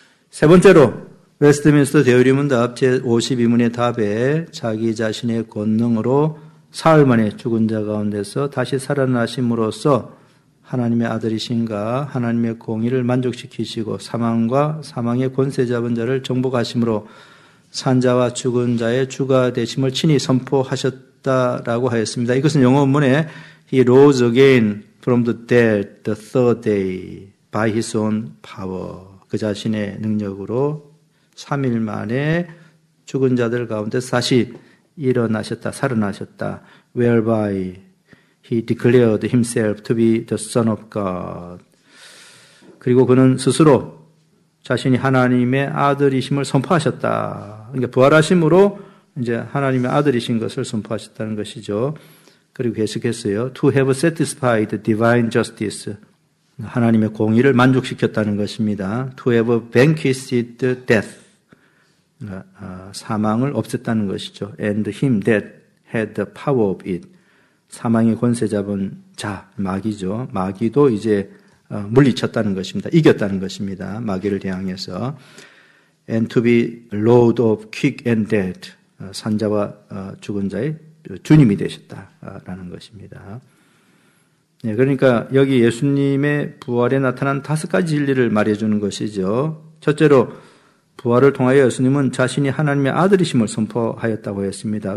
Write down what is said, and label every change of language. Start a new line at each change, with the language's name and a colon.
Korean: 세 번째로 웨스트민스터 대요리문답 제52문의 답에 자기 자신의 권능으로 사흘 만에 죽은 자 가운데서 다시 살아나심으로써 하나님의 아들이신가 하나님의 공의를 만족시키시고 사망과 사망의 권세 잡은 자를 정복하심으로 산자와 죽은 자의 주가 되심을 친히 선포하셨다라고 하였습니다. 이것은 영어 원문에
English: He rose again from the dead the third day by his own power.
Korean: 그 자신의 능력으로 3일 만에 죽은 자들 가운데서 다시 일어나셨다, 살아나셨다.
English: Whereby he declared himself to be the Son of God.
Korean: 그리고 그는 스스로 자신이 하나님의 아들이심을 선포하셨다. 그러니까 부활하심으로 이제 하나님의 아들이신 것을 선포하셨다는 것이죠. 그리고 계속했어요.
English: To have satisfied divine justice.
Korean: 하나님의 공의를 만족시켰다는 것입니다.
English: To have vanquished death.
Korean: 사망을 없앴다는 것이죠.
English: And him that had the power of it.
Korean: 사망의 권세 잡은 자, 마귀죠. 마귀도 이제 물리쳤다는 것입니다. 이겼다는 것입니다. 마귀를 대항해서.
English: And to be Lord of quick and dead.
Korean: 산자와 죽은 자의 주님이 되셨다라는 것입니다. 네, 그러니까 여기 예수님의 부활에 나타난 다섯 가지 진리를 말해주는 것이죠. 첫째로 부활을 통하여 예수님은 자신이 하나님의 아들이심을 선포하였다고 했습니다.